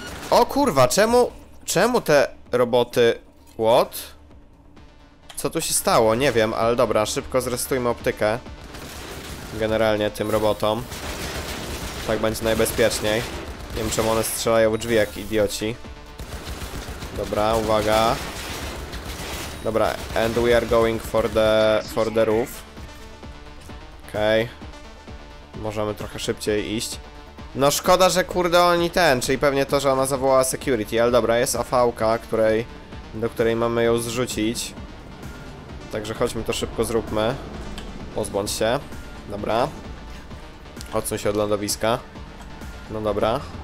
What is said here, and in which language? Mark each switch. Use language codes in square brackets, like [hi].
[pl] O kurwa, czemu te roboty... What? Co tu się stało? Nie wiem, ale dobra, szybko zrestujmy optykę. Generalnie tym robotom. Tak będzie najbezpieczniej. Nie wiem, czemu one strzelają w drzwi, jak idioci. Dobra, uwaga. [en] Dobra, and we are going for the roof. [pl] Okej. Możemy trochę szybciej iść. No szkoda, że kurde oni ten, czyli pewnie to, że ona zawołała security. Ale dobra, jest AV-ka, do której mamy ją zrzucić. Także chodźmy, to szybko zróbmy. Pozbądź się. Dobra. Odsuń się od lądowiska. No dobra.